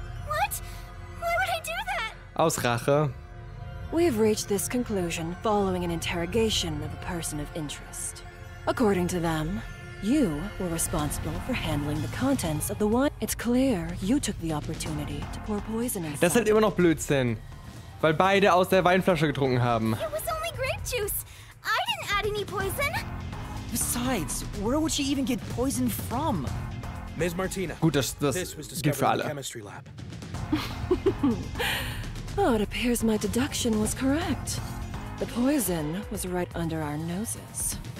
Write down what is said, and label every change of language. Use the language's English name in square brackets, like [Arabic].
[English] What? Why would I do that? [German] Aus Rache. [English] We've reached this conclusion following an interrogation of a person of interest. According to them, you were responsible for handling the contents of the wine. It's clear you took the opportunity to pour poison inside. [German] Das ist halt immer noch Blödsinn, weil beide aus der Weinflasche getrunken haben. [English] It was only grape juice. I didn't add any poison. Besides, where would she even get poison from? Ms. Martina. [German] Gut, das gilt für alle. [English] Oh, it appears my deduction was correct. The poison was right under our noses.